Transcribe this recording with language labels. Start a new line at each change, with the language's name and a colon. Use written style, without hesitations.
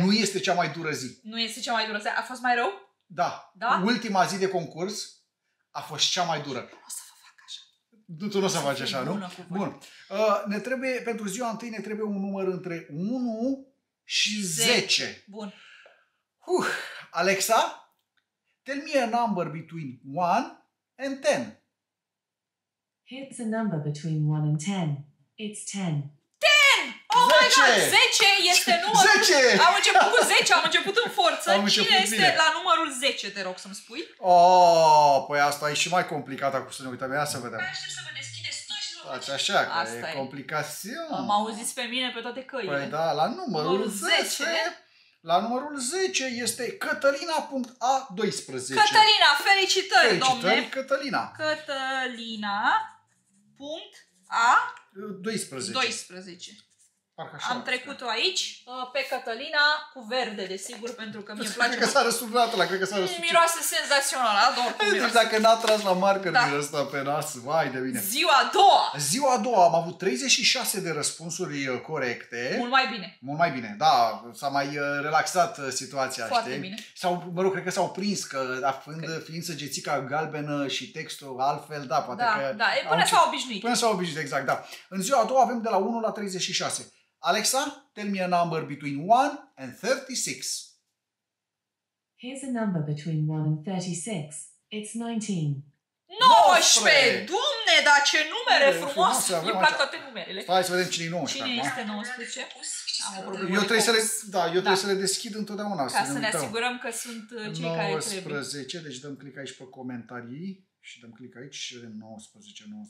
Romanian: nu este cea mai dură zi. Nu este cea mai dură zi. A fost mai rău? Da. Da? Ultima zi de concurs a fost cea mai dură. O să vă fac așa. Nu, tu nu o să faci așa, nu? Bun. Ne trebuie, pentru ziua întâi ne trebuie un număr între 1 și 10. Bun.
English: Alexa, tell me a number between 1 and 10. Here's a number between 1 and 10. It's 10.
Romanian: 10! Oh 10! My god, 10 este numărul. 10! Am început cu 10, am început în forță. Am început. Cine este la numărul 10, te rog să-mi spui? Oh, păi asta e și mai complicat acum să ne uităm. Ia să vedem. Mai aștept să vă deschideți toți numărul. Așa, că asta e complicație. Am auzit pe mine pe toate căile. Păi da, la numărul 10... La numărul 10 este Cătălina.a12. Cătălina, felicitări, felicitări, domne! Cătălina. Cătălina.a12. Am trecut-o aici, pe Cătălina, cu verde, desigur, pentru că mi-e place. Cred că s-a răsturnat ăla, cred că s-a răsturnat. Miroase senzațional, ador cum miroase. Deci dacă n-a tras la marker din ăsta pe nas, vai de bine. Ziua a doua! Ziua a doua, am avut 36 de răspunsuri corecte. Mult mai bine. Mult mai bine, da, s-a mai relaxat situația, foarte știi? Foarte bine. Sau, mă rog, cred că s-au prins, că fiind, fiind săgețica galbenă și textul altfel, da, poate da, că... Da, da, până s-au obișnuit. Până s-au obișnuit, exact, da. În ziua a doua avem de la 1 la 36.
English: Alexa, tell me a number between 1 and 36. Here's a number between 1 and 36. It's 19.
Romanian: 19! Dumne, dar ce numere frumos! Îmi plac toate numerele. Hai să vedem cine e 19. Cine acum. Este 19? Eu trebuie, trebuie să le deschid întotdeauna. Ca să ne asigurăm că sunt cei 19, care trebuie. 19, deci dăm click aici pe comentarii. Și dăm click aici și vedem 19.